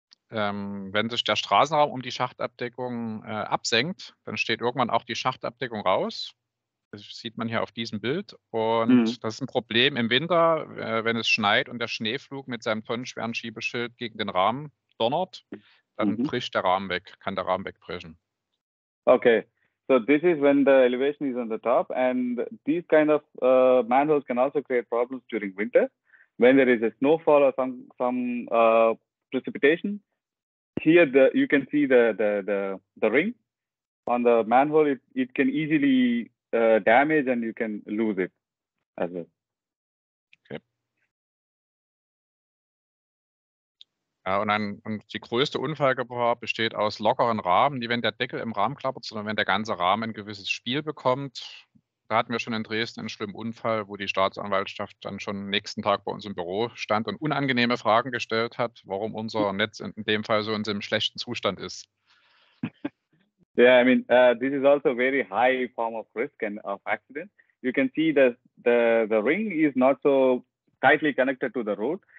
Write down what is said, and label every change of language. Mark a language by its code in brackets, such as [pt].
[de] Wenn sich der Straßenraum um die Schachtabdeckung absenkt, dann steht irgendwann auch die Schachtabdeckung raus. Das sieht man hier auf diesem Bild. Und das ist ein Problem im Winter, wenn es schneit und der Schneepflug mit seinem tonnenschweren Schiebeschild gegen den Rahmen donnert, dann bricht der Rahmen weg, kann der Rahmen wegbrechen. [en] Okay, so this is when the elevation is on the top, and these kind of manholes can also create problems during winter. When there is a snowfall or some precipitation, here you can see the ring on the manhole. It can easily damage, and you can lose it as well. [de] Ja, und die größte Unfallgefahr besteht aus lockeren Rahmen, die, wenn der Deckel im Rahmen klappert, sondern wenn der ganze Rahmen ein gewisses Spiel bekommt. Da hatten wir schon in Dresden einen schlimmen Unfall, wo die Staatsanwaltschaft dann schon nächsten Tag bei uns im Büro stand und unangenehme Fragen gestellt hat, warum unser Netz in dem Fall so in so einem schlechten Zustand ist. [en] Yeah, I mean, this is also a very high form of risk and of accident. You can see that the ring is not so tightly connected to the road.